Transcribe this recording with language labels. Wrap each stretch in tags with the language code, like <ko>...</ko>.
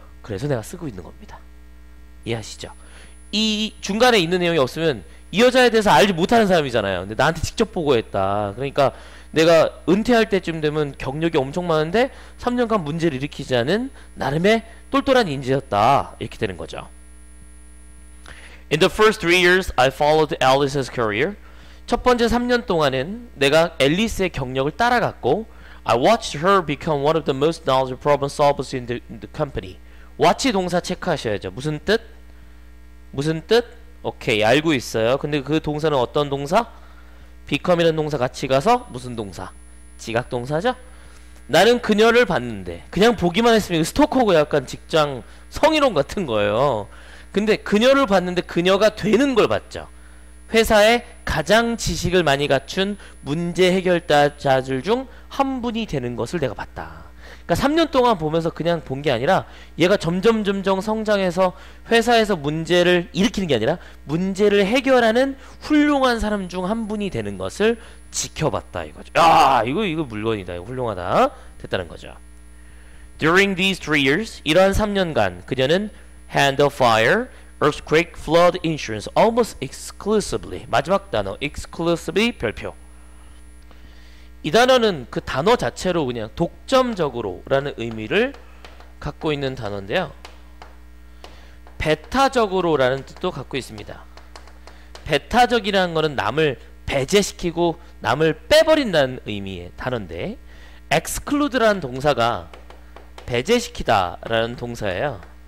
<ko>그래서 내가 쓰고 있는 겁니다. 이해하시죠? 이 중간에 있는 내용이 없으면 이 여자에 대해서 알지 못하는 사람이잖아요. 근데 나한테 직접 보고했다. 그러니까 내가 은퇴할 때쯤 되면 경력이 엄청 많은데 3년간 문제를 일으키지 않은 나름의 똘똘한 인재였다. 이렇게 되는 거죠.</ko> <en>In the first 3 years, I followed Alice's career.</en> <ko>첫 번째 3년 동안은 내가 앨리스의 경력을 따라갔고</ko> <en>I watched her become one of the most knowledgeable problem solvers in the company.</en> <ko>Watch 동사 체크하셔야죠. 무슨 뜻? 무슨 뜻? 오케이 알고 있어요. 근데 그 동사는 어떤 동사? become이라는 동사 같이 가서 무슨 동사? 지각 동사죠? 나는 그녀를 봤는데 그냥 보기만 했으면 스토커고 약간 직장 성희롱 같은 거예요. 근데 그녀를 봤는데 그녀가 되는 걸 봤죠. 회사에 가장 지식을 많이 갖춘 문제 해결자들 중 한 분이 되는 것을 내가 봤다. 그러니까 3년 동안 보면서 그냥 본 게 아니라 얘가 점점 성장해서 회사에서 문제를 일으키는 게 아니라 문제를 해결하는 훌륭한 사람 중 한 분이 되는 것을 지켜봤다 이거죠. 아 이거 물건이다. 이거 훌륭하다. 됐다는 거죠.</ko> <en>During these 3 years,</en> <ko>이러한 3년간 그녀는</ko> <en>hand of fire, earthquake, flood insurance almost exclusively</en> <ko>마지막 단어 exclusively 별표 이 단어는 그 단어 자체로 그냥 독점적으로 라는 의미를 갖고 있는 단어인데요. 배타적으로 라는 뜻도 갖고 있습니다. 배타적이라는 것은 남을 배제시키고 남을 빼버린다는 의미의 단어인데 exclude라는 동사가 배제시키다 라는 동사예요.</ko>